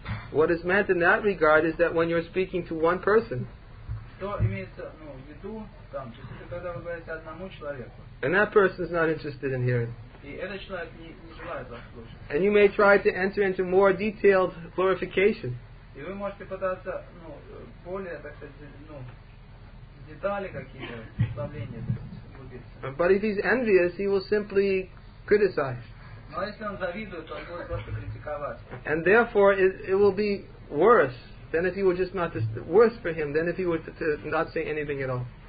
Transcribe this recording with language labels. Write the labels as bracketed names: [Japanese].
[English] What is meant in that regard is that when you're speaking to one person, [Russian] что имеется ну, в виду там, то есть это когда вы говорите одному человеку. [English] And that person is not interested in hearing. [Russian] И этот человек не, не желает вас слушать. [English] And you may try to enter into more detailed glorification. [Russian] И вы можете пытаться ну, более, так сказать, ну, детали какие-то, вставления углубиться. [English] But if he's envious, he will simply criticize. [Russian] Но если он завидует, то он будет просто критиковать. [English] And therefore, it will be worse. Then if he were just not to, worse for him than if he were to not say anything at all.